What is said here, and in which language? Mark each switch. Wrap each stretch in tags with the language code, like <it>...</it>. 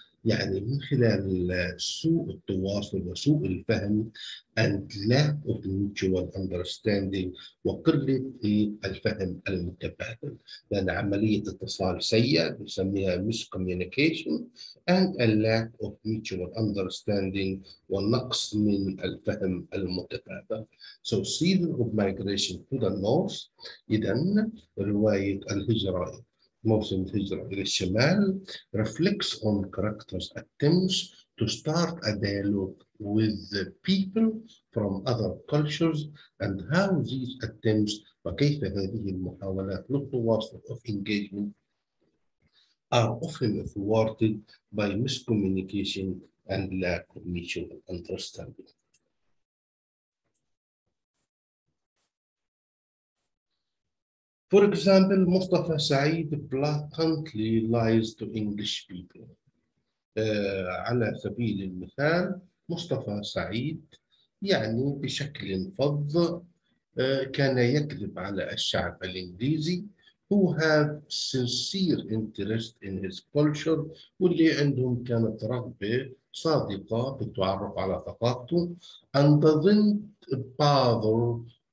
<ar>يعني من خلال سوء التواصل وسوء الفهم</ar> <en>and lack of mutual understanding</en> <ar>وقلة الفهم المتبادل، لأن عملية اتصال سيئة نسميها</ar> <en>miscommunication and a lack of mutual understanding</en> <ar>ونقص من الفهم المتبادل.</ar> <en>So season of migration to the north،</en> <ar>إذن رواية الهجرة موسم الهجرة إلى الشمال</ar> <en>reflects on characters' attempts to start a dialogue with the people from other cultures and how these attempts</en> <ar>وكيف هذه المحاولات للتواصل</ar> <en>of engagement are often thwarted by miscommunication and lack of mutual understanding. For example, Mustafa Saeed blatantly lies to English people.</en> <ar>على سبيل المثال, Mustafa Saeed, يعني بشكل فظ, كان يكذب على الشعب الإنجليزي,</ar> <en>who have sincere interest in his culture,</en> <ar>واللي عندهم كانت رغبة صادقة بالتعرف على ثقافته,</ar> <en>and doesn't bother</en>